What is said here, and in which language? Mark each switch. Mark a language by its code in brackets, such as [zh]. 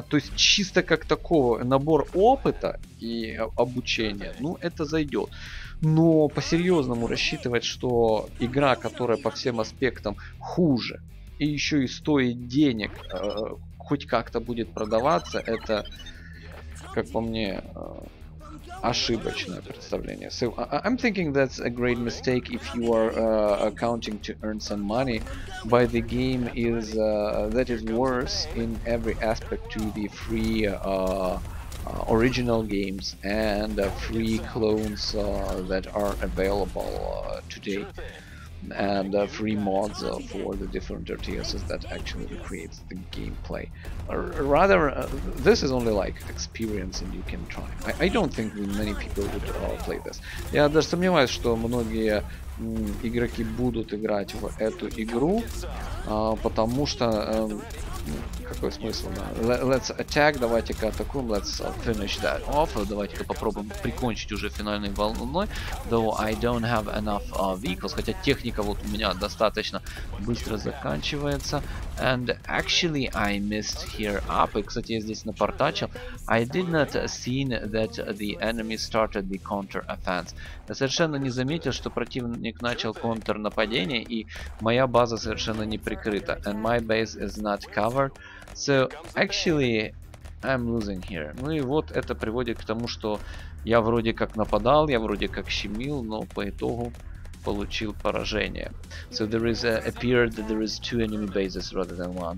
[ru] То есть, чисто как такого набор опыта и обучения, ну, это зайдет. Но по-серьезному рассчитывать, что игра, которая по всем аспектам хуже и еще и стоит денег, хоть как-то будет продаваться, это, как по мне, ошибочное представление. [en] So I'm thinking that's a great mistake if you are accounting to earn some money by the game is that is worse in every aspect to the free original games and free clones that are available today and free mods for the different RTSs that actually creates the gameplay. Rather, this is only like experience and you can try. I don't think many people would play this. [ru] Я даже сомневаюсь, что многие игроки будут играть в эту игру, потому что какой смысл, да? [en] Let's attack, [ru] давайте-ка атакуем, [en] let's finish that off, [ru] давайте-ка попробуем прикончить уже финальной волной. [en] Though I don't have enough vehicles, [ru] хотя техника вот у меня достаточно быстро заканчивается. [en] And actually I missed here up, [ru] и, кстати, я здесь напортачил. [en] I did not see that the enemy started the counter-offense. [ru] Я совершенно не заметил, что противник начал контрнападение, и моя база совершенно не прикрыта. [en] And my base is not covered. So actually I'm losing here. [ru] Ну и вот это приводит к тому, что я вроде как нападал, я вроде как щемил, но по итогу получил поражение. [en] So there is appeared that there is two enemy bases rather than one.